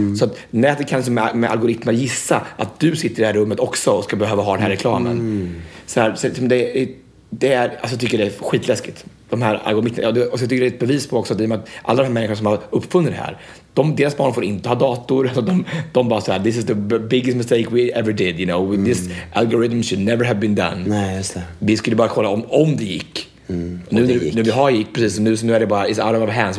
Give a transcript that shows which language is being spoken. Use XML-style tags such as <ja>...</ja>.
<sv>Så att nätet kan liksom med algoritmer gissa att du sitter i det här rummet också och ska behöva ha den här reklamen. Så som det är. Det är, alltså jag tycker det är skitläskigt. De här algoritmerna. Och så tycker det är ett bevis på också att, att alla de här människorna som har uppfunnit det här, deras barn får inte ha dator.</sv> <en>Alltså de bara såhär, this is the biggest mistake we ever did, you know. This algorithm should never have been done.</en> <sv>Nej, just det. Vi skulle bara kolla om det gick. Nu vi har gick, precis.</sv> <en>Nu är det bara, it's out of our hands.</en>